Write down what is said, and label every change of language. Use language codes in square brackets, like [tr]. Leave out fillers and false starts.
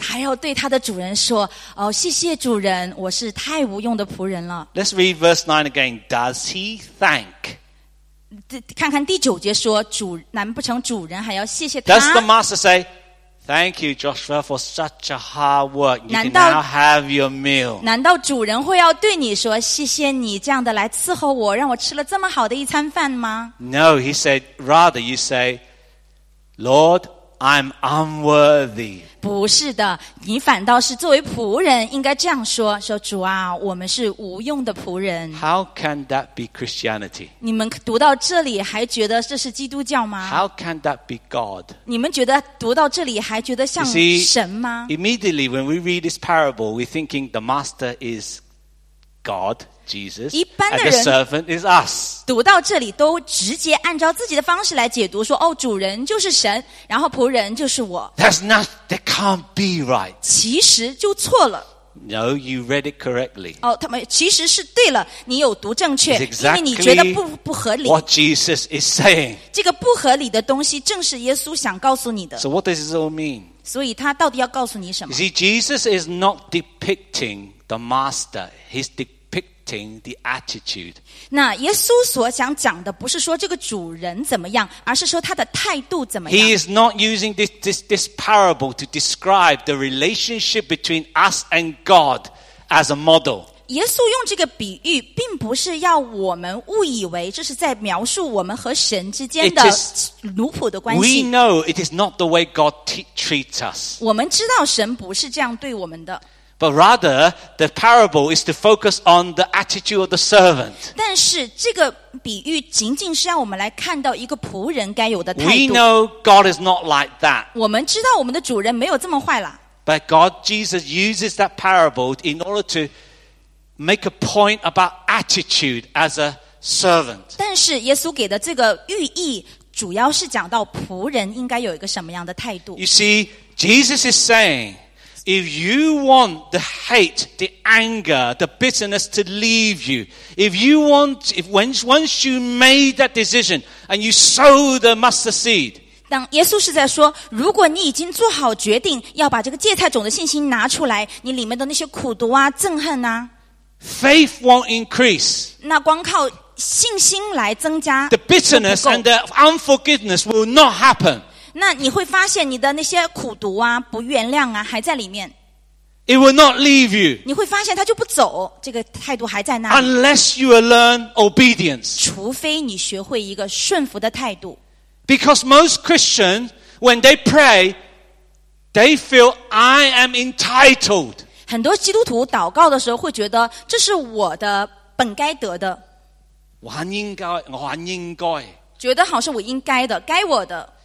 [zh] 还要对他的主人说，哦，谢谢主人，我是太无用的仆人了。 [en] Let's read verse 9 again. Does he thank? [zh] 看看第九节说，主难不成主人还要谢谢他？ [en] Does the master say, "Thank you, Joshua, for such a hard work. You can now have your meal"? [zh] 难道主人会要对你说，谢谢你这样的来伺候我，让我吃了这么好的一餐饭吗？ [en] No, he said. Rather, you say, "Lord, I'm unworthy." [zh] 不是的，你反倒是作为仆人应该这样说，说主啊，我们是无用的仆人。 [en] How can that be Christianity? [zh] 你们读到这里还觉得这是基督教吗？ [en] How can that be God? [zh] 你们觉得读到这里还觉得像神吗？ [en] You see, immediately when we read this parable, we're thinking the master is God. Jesus, [zh] 一般的人 [en] and the servant is us. [zh] 读到这里都直接按照自己的方式来解读，说哦，主人就是神，然后仆人就是我。 [en] That's not, that can't be right. [zh] 其实就错了。 [en] No, you read it correctly. [zh] 哦，他们其实是对了，你有读正确， [en] It's exactly [zh] 因为你觉得不合理。 [en] What Jesus is saying. [zh] 这个不合理的东西正是耶稣想告诉你的。 [en] So what does this all mean? [zh] 所以他到底要告诉你什么？ [en] You see, Jesus is not depicting the master. He's depicting the attitude. [zh] 那耶稣所想讲的不是说这个主人怎么样，而是说他的态度怎么样。 [en] He is not using this parable to describe the relationship between us and God as a model. [zh] 耶稣用这个比喻并不是要我们误以为这是在描述我们和神之间的奴仆的关系。 [en] We know it is not the way God treats us. [zh] 我们知道神不是这样对我们的。 [en] But rather, the parable is to focus on the attitude of the servant. [zh] 但是这个比喻仅仅是让我们来看到一个仆人该有的态度。 [en] We know God is not like that. [zh] 我们知道我们的主人没有这么坏了。 [en] But God, Jesus uses that parable in order to make a point about attitude as a servant. [zh] 但是耶稣给的这个寓意主要是讲到仆人应该有一个什么样的态度。 [en] You see, Jesus is saying,If you want the hate, the anger, the bitterness to leave you, once you made that decision and you sow the mustard seed, [zh] 当耶稣是在说，如果你已经做好决定要把这个芥菜种的信心拿出来，你里面的那些苦毒啊、憎恨啊 [en] ，faith won't increase. [zh] 那光靠信心来增加 [en] ，the bitterness and the unforgiveness will not happen. [zh] 那你会发现你的那些苦毒啊不原谅啊还在里面。 [en] It will not leave you. [zh] 你会发现他就不走，这个态度还在那里。 [en] Unless you learn obedience. [zh] 除非你学会一个顺服的态度。 [en] Because most Christians, when they pray, they feel I am entitled. [zh] 很多基督徒祷告的时候会觉得这是我的本该得的。我很应该，我很应该。觉得好像我应该的，该我的。